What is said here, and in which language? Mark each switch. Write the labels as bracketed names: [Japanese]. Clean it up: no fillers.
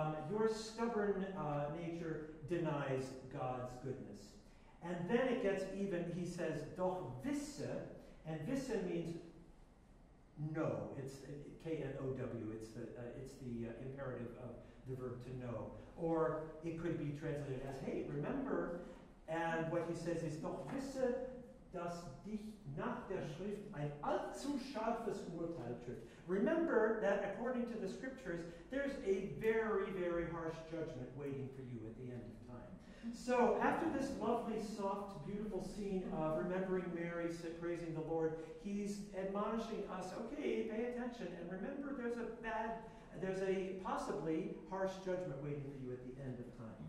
[English] Your stubborn nature denies God's goodness. And then it gets even, he says, [German] doch wisse, [English] and wisse means no. It's K-N-O-W. It's the imperative of the verb to know. Or it could be translated as, hey, remember. And what he says is, [German] doch wisse, dass dich nach der Schrift ein allzu scharfes Urteil trifft. [English] Remember that according to the scriptures, there's a very, very harsh judgment waiting for you at the end of time. So after this lovely, soft, beautiful scene of remembering Mary, praising the Lord, he's admonishing us, okay, pay attention, and remember there's a bad, there's a possibly harsh judgment waiting for you at the end of time.